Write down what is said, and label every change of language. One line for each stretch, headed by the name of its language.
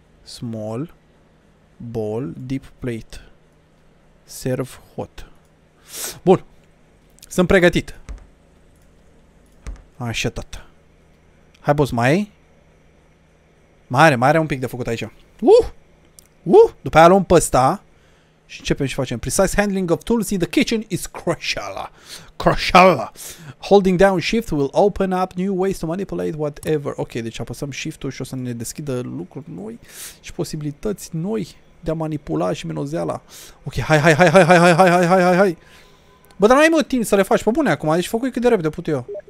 Romanian: Small, bowl, deep plate, serve hot. Bun. Sunt pregătit. Așa tot. Hai, boss, mai ai? Mai are un pic de făcut aici. După aia luăm pe ăsta și începem și facem.
English: Precise handling of tools in the kitchen is crucial. Holding down shift will open up new ways to manipulate whatever.
Romanian: Ok, deci apăsăm shift-ul și o să ne deschidă lucruri noi și posibilități noi de a manipula și menozeala. Ok, hai. Bă, dar nu ai mult timp să le faci pe bune acum, deci făcui cât de repede put eu.